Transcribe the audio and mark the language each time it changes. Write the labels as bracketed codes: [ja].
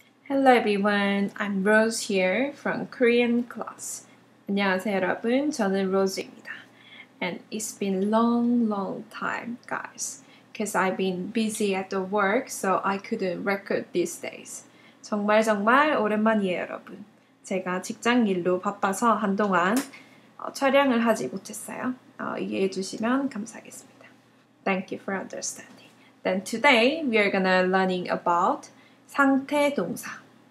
[en] Hello everyone, I'm Rose here from Korean class. [ko] 안녕하세요 여러분, 저는 Rose입니다. [en] And it's been long time, guys, because I've been busy at the work, so I couldn't record these days. [ko] 정말 오랜만이에요, 여러분. 제가 직장 일로 바빠서 한동안 촬영을 하지 못했어요. 이해해 주시면 감사하겠습니다. [en] Thank you for understanding. Then today, we are going to learning about 상태 동사.